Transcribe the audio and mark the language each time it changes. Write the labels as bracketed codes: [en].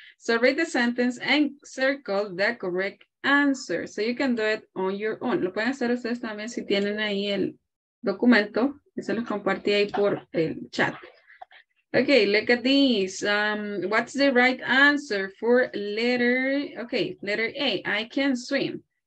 [en] So read the sentence and circle the correct answer. So you can do it on your own. [es] Lo pueden hacer ustedes también si tienen ahí el documento. Eso lo compartí ahí por el chat. Okay, [en] look at these. What's the right answer for letter A, I can swim.